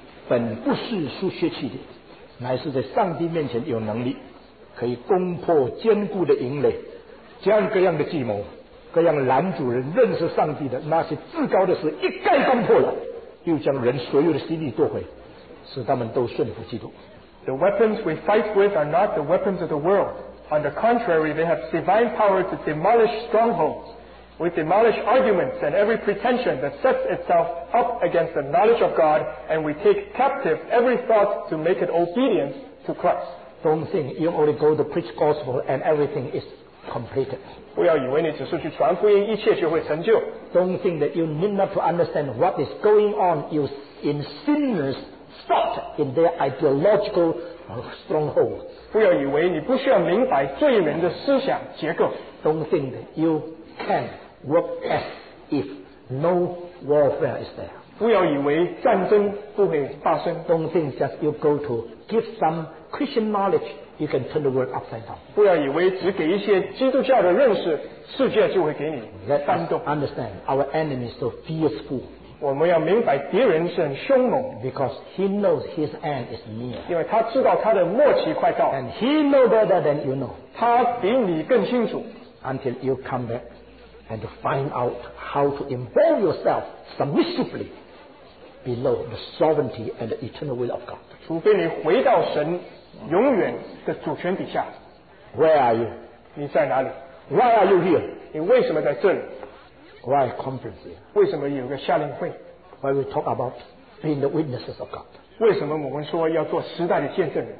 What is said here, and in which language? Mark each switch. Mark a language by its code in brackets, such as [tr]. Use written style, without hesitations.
[zh] 本不是输血气的，乃是在上帝面前有能力，可以攻破坚固的营垒，这样各样的计谋，各样拦阻人认识上帝的那些至高的事一概攻破了，又将人所有的心力夺回，使他们都顺服基督。 [en] The weapons we fight with are not the weapons of the world. On the contrary, they have divine power to demolish strongholds. We demolish arguments and every pretension that sets itself up against the knowledge of God, and we take captive every thought to make it obedient to Christ. Don't think you only go to preach gospel and everything is completed. [zh] 不要以为你只是去传福音，一切就会成就。 [en] Don't think that you need not to understand what is going on in sinners' thought in their ideological stronghold. [zh] 不要以为你不需要明白罪人的思想结构。 [en] Don't think that youcan work as if no warfare is there. [zh] 不要以为战争不会发生。 [en] Don't think just you go to give some Christian knowledge, you can turn the world upside down. [zh] 不要以为只给一些基督教的认识，世界就会给你翻动。 [en] Let us understand our enemy is so fearful. [zh] 我们要明白敌人是很凶猛。 [en] Because he knows his end is near. [zh] 因为他知道他的末期快到。 [en] And he knows better than you know. [zh] 他比你更清楚。 [en] Until you come back. And to find out how to involve yourself submissively below the sovereignty and the eternal will of God. [zh] 除非你回到神永远的主权底下。 [en] Where are you? [zh] 你在哪里？ [en] Why are you here? [zh] 你为什么在这里？ [en] Why conference here? [zh] 为什么有个夏令会？ [en] Why we talk about being the witnesses of God? [zh] 为什么我们说要做时代的见证人？